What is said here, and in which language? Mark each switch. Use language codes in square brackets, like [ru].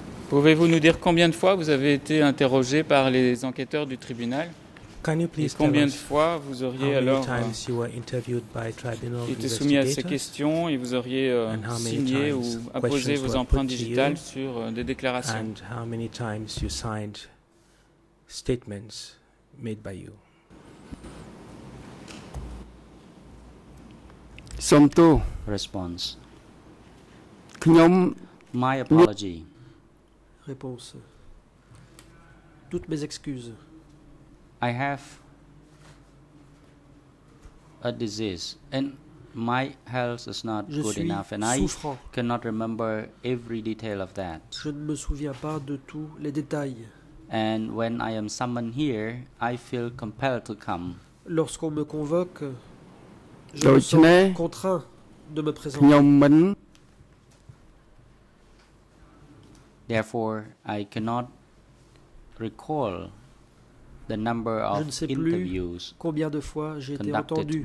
[fr] Pouvez-vous nous dire combien de fois vous avez été interrogé par les enquêteurs du tribunal? [en] Can you please [fr] Et combien [en] tell [fr] de fois vous auriez alors été soumis à ces questions et vous auriez signé ou apposé vos empreintes digitales sur des déclarations? [en] And how many times you signed statements made by you? Somto response. [km] Khnyom [en] my apology. [fr] Réponse. Toutes mes excuses. [en] I have a disease, and my health is not [fr] Je [en] good enough, and [fr] souffrant. [en] I cannot remember every detail of that. [fr] Je ne me souviens pas de tous les détails. [en] And when I am summoned here, I feel compelled to come. [fr] Lorsqu'on me convoque, je me sens contraint de me présenter. [en] Therefore, I cannot recall the number of [fr] Je ne sais [en] interviews [fr] plus combien de fois j'ai été entendu